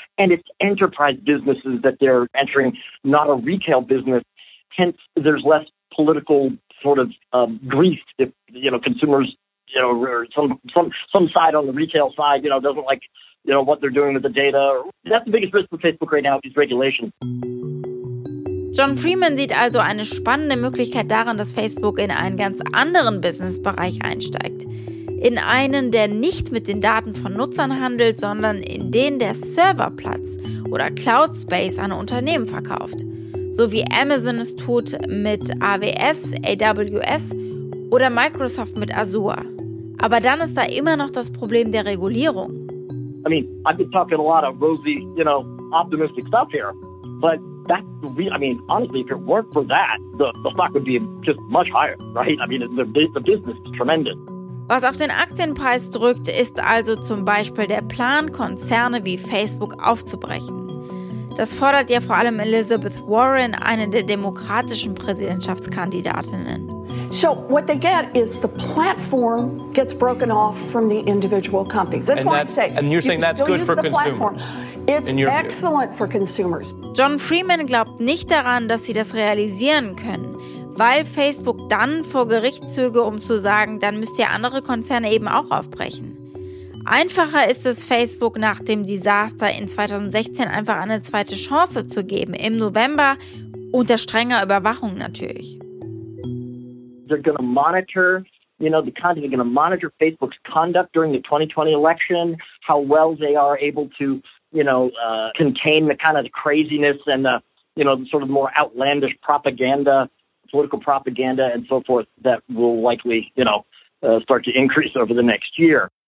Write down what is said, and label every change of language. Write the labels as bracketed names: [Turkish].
[English] And it's enterprise businesses that they're entering, not a retail business. Hence, there's less political sort of grief if, you know, consumers, you know, or some side on the retail side, you know, doesn't like, you know, what they're doing with the data. That's the biggest risk for Facebook right now, is regulation. [German] John Freeman sieht also eine spannende Möglichkeit darin, dass Facebook in einen ganz anderen Businessbereich einsteigt. In einen, der nicht mit den Daten von Nutzern handelt, sondern in den der Serverplatz oder Cloud Space an Unternehmen verkauft. So wie Amazon es tut mit AWS, AWS oder Microsoft mit Azure. Aber dann ist da immer noch das Problem der Regulierung. [English] I mean, I've been talking a lot of rosy, you know, optimistic stuff here. But that's the real, I mean, honestly, if it weren't for that, the stock would be just much higher, right? I mean, the business is tremendous. [German] Was auf den Aktienpreis drückt, ist also zum Beispiel der Plan, Konzerne wie Facebook aufzubrechen. Das fordert ja vor allem Elizabeth Warren, eine der demokratischen Präsidentschaftskandidatinnen. [English] So what they get is the platform gets broken off from the individual companies. That's what I'm saying. And you're saying that's good for consumers. It's excellent for consumers. [German] John Freeman glaubt nicht daran, dass sie das realisieren können, weil Facebook dann vor Gericht zöge, um zu sagen, dann müsst ihr andere Konzerne eben auch aufbrechen. Einfacher ist es, Facebook nach dem Desaster in 2016 einfach eine zweite Chance zu geben, im November, unter strenger Überwachung natürlich. [English] They're going to monitor, you know, the content, they're going to monitor Facebook's conduct during the 2020 election, how well they are able to, you know, contain the kind of the craziness and the, you know, the sort of more outlandish propaganda, political propaganda and so forth that will likely, you know, start to increase over the next year.